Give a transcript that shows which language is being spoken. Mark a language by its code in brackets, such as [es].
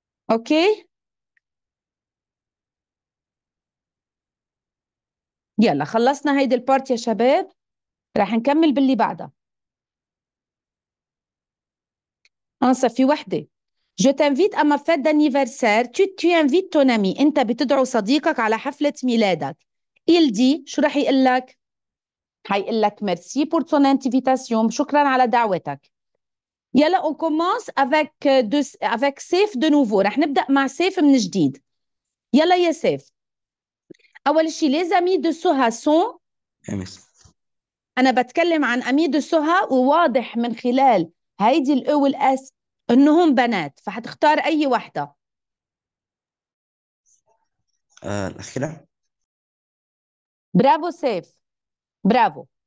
[ar] اوكي يلا خلصنا هيدي البارت يا شباب، رح نكمل باللي بعدها. انصف في وحده، [fr] Je t'invite à ma fête d'anniversaire. Tu invites ton ami. [ar] أنت بتدعو صديقك على حفلة ميلادك. [fr] Il dit، [ar] شو راح يقول لك؟ هيقول لك [fr] merci pour ton invitation، [ar] شكرا على دعوتك. يلا [fr] on commence avec سيف de nouveau. [ar] راح نبدأ مع سيف من جديد. يلا يا سيف. أول شيء [fr] les amis de Soha sont، أمس [ar] أنا بتكلم عن [fr] أمي دو [ar] سها، وواضح من خلال هيدي الأو والأس انهم بنات، فحتختار اي وحده؟ الأخيرة برافو سيف، برافو.